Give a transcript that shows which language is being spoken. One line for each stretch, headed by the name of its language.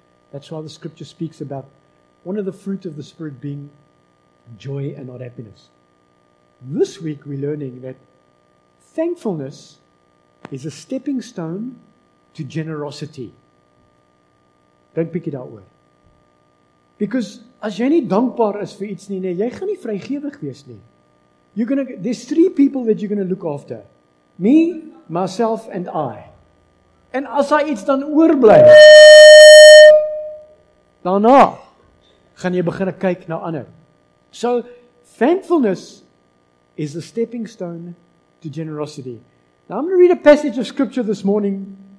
English: That's why the scripture speaks about one of the fruit of the Spirit being joy and not happiness. This week we're learning that thankfulness is a stepping stone to generosity. Don't pick it out word.
Afrikaans: Because as jy nie dankbaar is vir iets nie, jy gaan nie vrygewig wees nie.
English: You're going to, there's three people that you're going to look after. Me, myself and I.
Afrikaans: En as hy iets dan oorbly, daarna gaan jy begin kyk na ander.
English: So, thankfulness is the stepping stone to generosity. Now I'm going to read a passage of scripture this morning.